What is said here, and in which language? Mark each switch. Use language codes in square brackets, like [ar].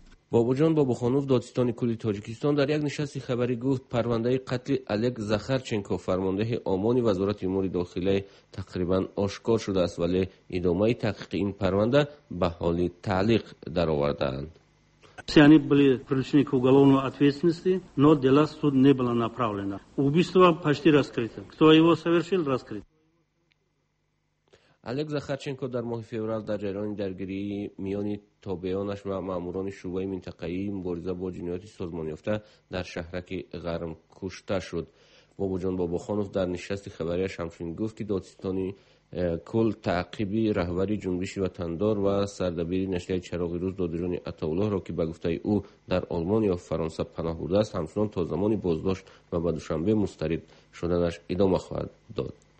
[fa] بابوجان بابوخانوف دادستان کلی تاجیکستان در یک نشست خبری گفت پرونده قتل الگ زخرچنکو فرمانده آمان وزارت امور داخلی تقریبا آشکار شده است، ولی ادامه تحقیق این پرونده به حال تعلیق در آورده اند. [ru] Они были привлечены к уголовной ответственности, но дела суд не было направлено. Убийство почти раскрыто. Кто его совершил, раскрыто. [fa] الگ زخرچنکو در ماه فوریه در جریان درگیری میانی تابعانش و ماموران شعبه منطقه‌ای مبارزه با جنایات سازمان یافته در شهرک غرم کشته شد. بابوجان بابوخانوف در نشست خبریش همچنین گفت که دادستان کل تعقیبی رهبری جنبش وطندار و سردبیر نشریه چراغ روز دادجان عطاالله را که به گفته او در آلمان یا فرانسه پناه برده است همچنان تا زمان بازداشت و به دوشنبه مسترد شدنش ادامه خواهد داد.